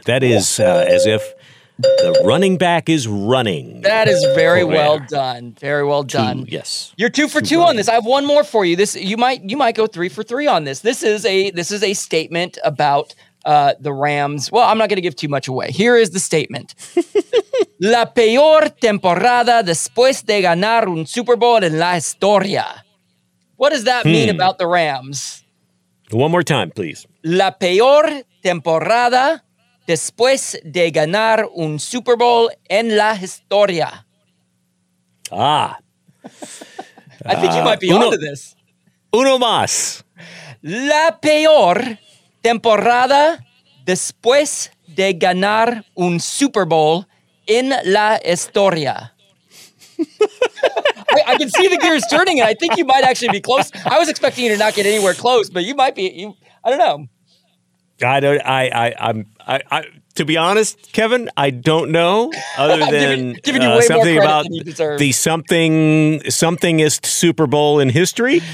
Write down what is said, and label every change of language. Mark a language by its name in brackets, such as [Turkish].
[English] That is as if the running back is running. That is very well done. Very well done. Yes. You're two for two on this. I have one more for you. This you might go three for three on this. This is a statement about the Rams. Well, I'm not going to give too much away. Here is the statement. [Spanish] La peor temporada después de ganar un Super Bowl en la historia. [English] What does that mean about the Rams? One more time, please. [Spanish] La peor temporada después de ganar un Super Bowl en la historia. [English] Ah. I think you might be onto this. [Spanish] Uno más. La peor temporada después de ganar un Super Bowl en la historia. [English] I can see the gears turning, and I think you might actually be close. I was expecting you to not get anywhere close, but you might be. You, I don't know. I don't. I'm. To be honest, Kevin, I don't know. Other than giving you way something more about than you deserve. The somethingest Super Bowl in history.